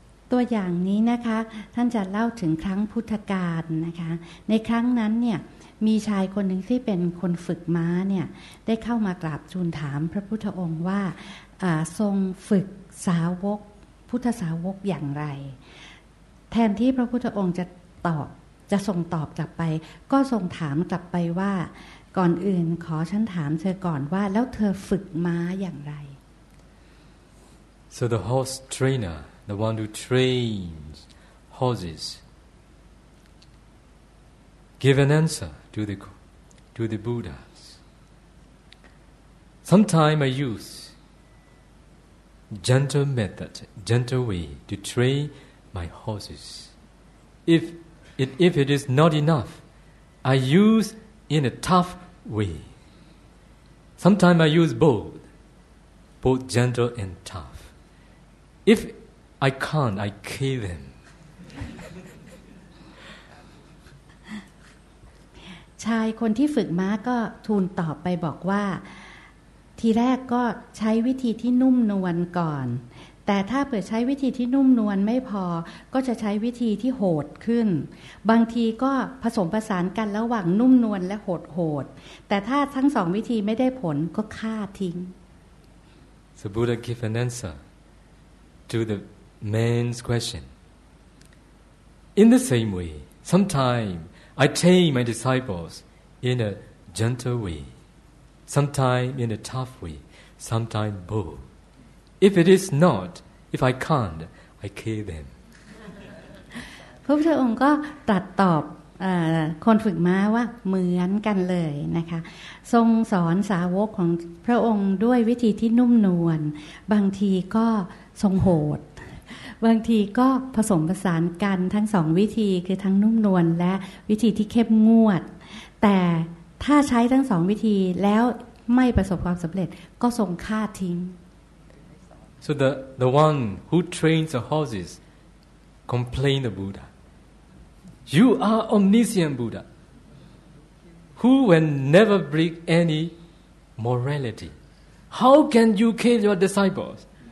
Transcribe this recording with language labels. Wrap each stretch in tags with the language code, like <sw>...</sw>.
<th>ตัวอย่างนี้นะคะท่านจะเล่าถึงครั้งพุทธกาลนะคะในครั้งนั้นเนี่ยมีชายคนหนึ่งที่เป็นคนฝึกม้าเนี่ยได้เข้ามากราบทูลถามพระพุทธองค์ว่าทรงฝึกสาวกพุทธสาวกอย่างไรแทนที่พระพุทธองค์จะตอบจ จะส่งตอบกลับไปก็ส่งถามกลับไปว่าก่อนอื่นขอฉันถามเธอก่อนว่าแล้วเธอฝึกม้าอย่างไร</th> <en>So the horse trainer the one who trains horses give an answer to the Buddha Sometime I use gentle method gentle way to train my horses if it is not enough I use in a tough way Sometime I use both gentle and tough If I can't I kill them</en> <th>ชายคนที่ฝึกม้าก็ทูลตอบไปบอกว่าทีแรกก็ใช้วิธีที่นุ่มนวลก่อนแต่ถ้าเปิดใช้วิธีที่นุ่มนวลไม่พอก็จะใช้วิธีที่โหดขึ้นบางทีก็ผสมผสานกันระหว่างนุ่มนวลและโหดๆแต่ถ้าทั้งสองวิธีไม่ได้ผลก็ฆ่าทิ้ง</th> <en>The Buddha gave an answer to the man's question In the same way sometimes I train my disciples in a gentle waySometime in a tough way, sometime bold. If it is not, if I can't, I kill them.</en> <th>พระพุทธองค์ก็ตรัสตอบคนฝึกม้าว่าเหมือนกันเลยนะคะทรงสอนสาวกของพระองค์ด้วยวิธีที่นุ่มนวลบางทีก็ทรงโหดบางทีก็ผสมผสานกันทั้งสองวิธีคือทั้งนุ่มนวลและวิธีที่เข้มงวดแต่ถ้าใช้ทั้งสองวิธีแล้วไม่ประสบความสำเร็จก็ทรงฆ่าทิ้ง</th> <en>So the one who trains the horses complained the Buddha You are omniscient Buddha Who will never break any morality How can you kill your disciples?</en>